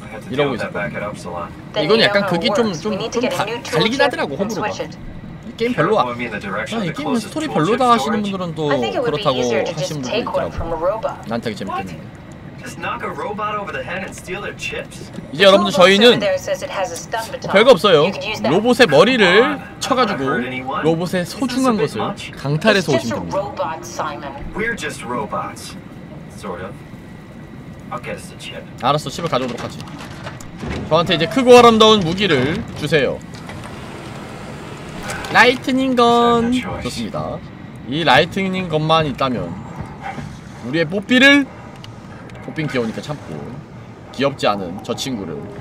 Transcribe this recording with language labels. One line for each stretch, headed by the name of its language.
Korean: 이러고 있어. 이거는 약간 극이 좀 갈리긴 하더라고 호불호가. 이 게임 별로 와. 아, 이 게임 스토리 별로다 하시는 분들은 또 그렇다고 하시는 분들도 있더라고. 난 되게 재밌겠네.
English: Just knock a robot over the head and steal their chips?
Korean: 이제 여러분들 저희는 별거 없어요. 로봇의 머리를 쳐가지고 로봇의 소중한 것을 강탈해서 오신 겁니다.
English: We're just robots, sort of. I'll get us a chip.
Korean: 알았어, 칩을 가져오도록 하지. 저한테 이제 크고 아름다운 무기를 주세요. 라이트닝 건 좋습니다. 이 라이트닝 건만 있다면 우리의 뽀삐를 뽀삥 귀여우니까 참고 귀엽지 않은 저 친구를.